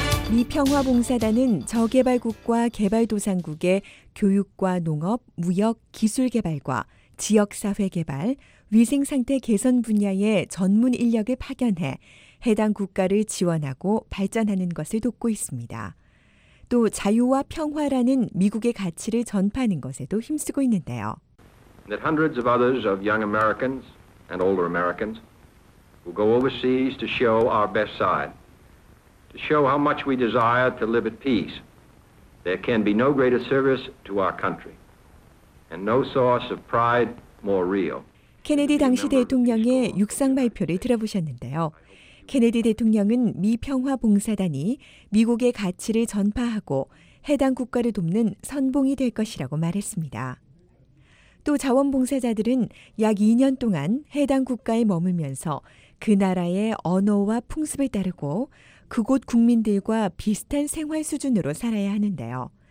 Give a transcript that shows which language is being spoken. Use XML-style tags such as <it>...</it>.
<ko>미평화봉사단은 저개발국과 개발도상국의 교육과 농업, 무역, 기술개발과 지역사회개발, 위생상태 개선 분야의 전문 인력을 파견해 해당 국가를 지원하고 발전하는 것을 돕고 있습니다. 또 자유와 평화라는 미국의 가치를 전파하는 것에도 힘쓰고 있는데요.</ko> <en>That hundreds of others of young Americans and older Americans who go overseas to show our best side, to show how much we desire to live at peace, there can be no greater service to our country and no source of pride more real.</en> <ko>케네디 당시 대통령의 육상 발표를 들어보셨는데요. 케네디 대통령은 미평화봉사단이 미국의 가치를 전파하고 해당 국가를 돕는 선봉이 될 것이라고 말했습니다. 또 자원봉사자들은 약 2년 동안 해당 국가에 머물면서 그 나라의 언어와 풍습을 따르고 그곳 국민들과 비슷한 생활 수준으로 살아야 하는데요.</ko>